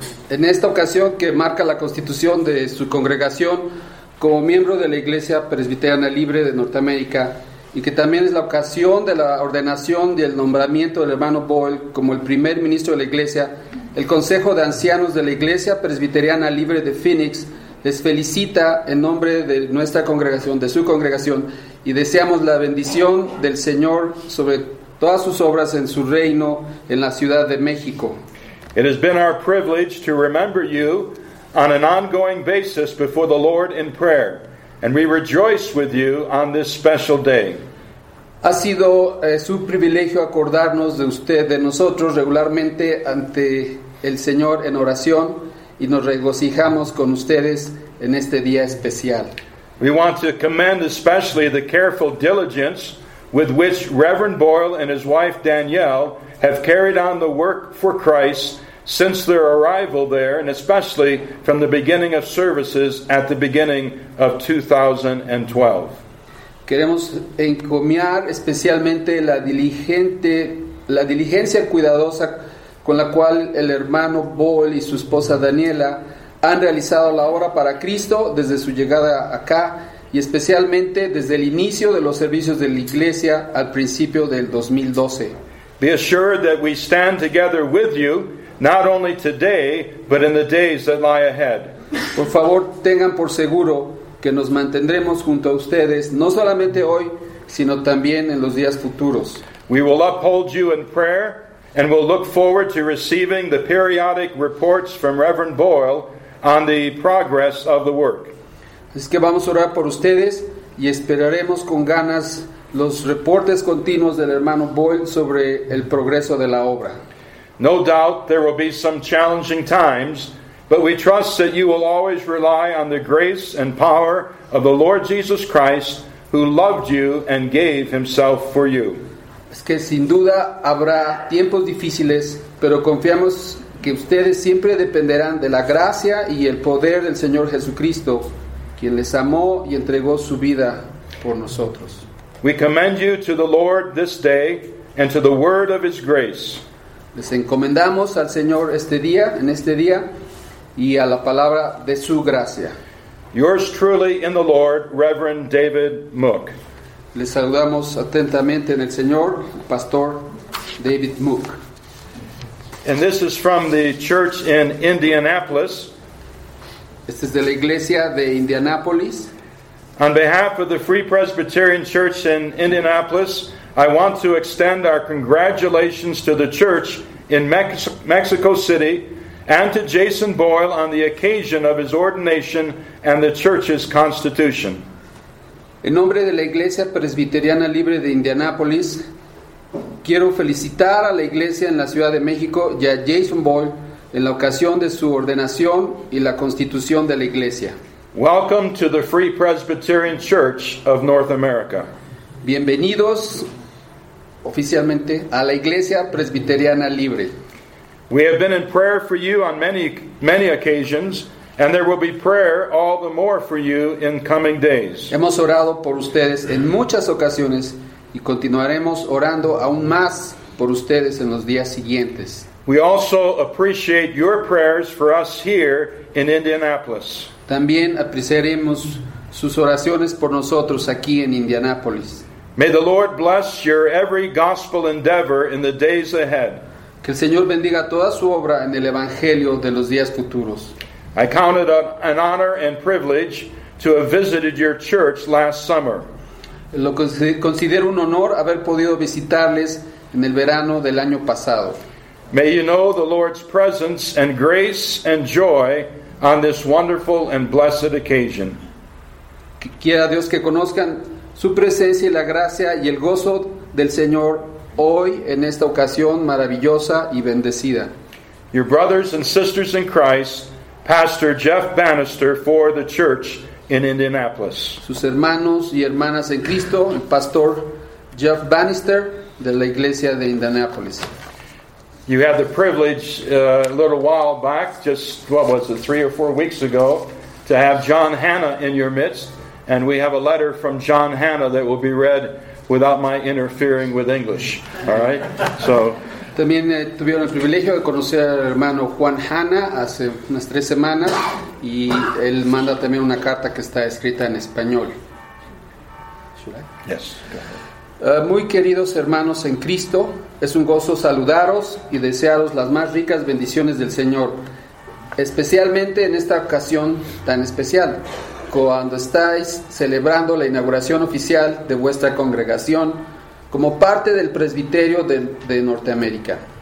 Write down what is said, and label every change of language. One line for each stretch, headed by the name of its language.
Spanish: En esta ocasión que marca la constitución de su congregación como miembro de la Iglesia Presbiteriana Libre de Norteamérica y que también es la ocasión de la ordenación y el nombramiento del hermano Boyle como el primer ministro de la Iglesia, el Consejo de Ancianos de la Iglesia Presbiteriana Libre de Phoenix les felicita en nombre de nuestra congregación, de su congregación, y deseamos la bendición del Señor sobre todas sus obras en su reino en la Ciudad de México.
English: It has been our privilege to remember you on an ongoing basis before the Lord in prayer, and we rejoice with you on this special day.
Spanish: Ha sido su privilegio acordarnos de usted, de nosotros, regularmente ante el Señor en oración, y nos regocijamos con ustedes en este día especial.
English: We want to commend especially the careful diligence with which Reverend Boyle and his wife Danielle have carried on the work for Christ since their arrival there, and especially from the beginning of services at the beginning of 2012.
Spanish: Queremos encomiar especialmente la diligencia cuidadosa con la cual el hermano Boyle y su esposa Daniela han realizado la obra para Cristo desde su llegada acá y especialmente desde el inicio de los servicios de la iglesia al principio del 2012.
English: Be assured that we stand together with you, not only today, but in the days that lie ahead.
Spanish: Por favor, tengan por seguro que nos mantendremos junto a ustedes, no solamente hoy, sino también en los días futuros.
English: We will uphold you in prayer, and we'll look forward to receiving the periodic reports from Reverend Boyle on the progress of the work.
Spanish: Es que vamos a orar por ustedes y esperaremos con ganas los reportes continuos del hermano Boyle sobre el progreso de la obra.
English: No doubt there will be some challenging times, but we trust that you will always rely on the grace and power of the Lord Jesus Christ, who loved you and gave himself for you.
Spanish: Es que sin duda habrá tiempos difíciles, pero confiamos que ustedes siempre dependerán de la gracia y el poder del Señor Jesucristo, quien les amó y entregó su vida por nosotros.
English: We commend you to the Lord this day and to the word of his grace.
Spanish: Les encomendamos al Señor este día, en este día, y a la palabra de su gracia.
English: Yours truly in the Lord, Reverend David Mook.
Spanish: Les saludamos atentamente en el Señor, Pastor David Mook.
English: And this is from the church in Indianapolis.
Spanish: Este es de la iglesia de Indianapolis.
English: On behalf of the Free Presbyterian Church in Indianapolis, I want to extend our congratulations to the church in Mexico City and to Jason Boyle on the occasion of his ordination and the church's constitution.
Spanish: En nombre de la Iglesia Presbiteriana Libre de Indianapolis, quiero felicitar a la Iglesia en la Ciudad de México y a Jason Boyle en la ocasión de su ordenación y la constitución de la Iglesia.
English: Welcome to the Free Presbyterian Church of North America.
Spanish: Bienvenidos oficialmente a la Iglesia Presbiteriana Libre.
English: We have been in prayer for you on many, many occasions, and there will be prayer all the more for you in coming days.
Spanish: Hemos orado por ustedes en muchas ocasiones y continuaremos orando aún más por ustedes en los días siguientes.
English: We also appreciate your prayers for us here in Indianapolis.
Spanish: También apreciaremos sus oraciones por nosotros aquí en Indianapolis.
English: May the Lord bless your every gospel endeavor in the days ahead.
Spanish: Que el Señor bendiga toda su obra en el evangelio de los días futuros.
English: I count it an honor and privilege to have visited your church last summer.
Spanish: Lo considero un honor haber podido visitarles en el verano del año pasado.
English: May you know the Lord's presence and grace and joy on this wonderful and blessed occasion.
Spanish: Quiera Dios que conozcan su presencia y la gracia y el gozo del Señor hoy en esta ocasión maravillosa y bendecida.
English: Your brothers and sisters in Christ, Pastor Jeff Bannister for the church in Indianapolis.
Spanish: Sus hermanos y hermanas en Cristo, el Pastor Jeff Bannister de la Iglesia de Indianapolis.
English: You had the privilege a little while back, three or four weeks ago, to have John Hanna in your midst. And we have a letter from John Hanna that will be read without my interfering with English. All right? So.
Spanish: También tuvieron el privilegio de conocer al hermano Juan Hanna hace unas tres semanas. Y él manda también una carta que está escrita en español.
English: Yes.
Spanish: Muy queridos hermanos en Cristo, es un gozo saludaros y desearos las más ricas bendiciones del Señor, especialmente en esta ocasión tan especial, cuando estáis celebrando la inauguración oficial de vuestra congregación como parte del presbiterio de Norteamérica.